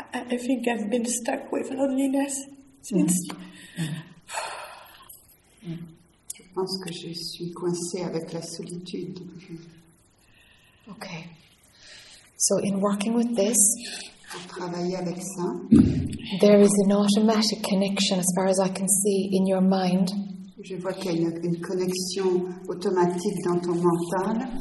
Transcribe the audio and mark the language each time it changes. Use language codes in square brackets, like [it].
[en] I think I've been stuck with loneliness since. [fr] Je pense que je suis coincée avec la solitude. [en] Okay. So in working with this, [fr] en travaillant avec ça, [en] there is an automatic connection, as far as I can see, in your mind. [fr] Je vois qu'il y a une connexion automatique dans ton mental.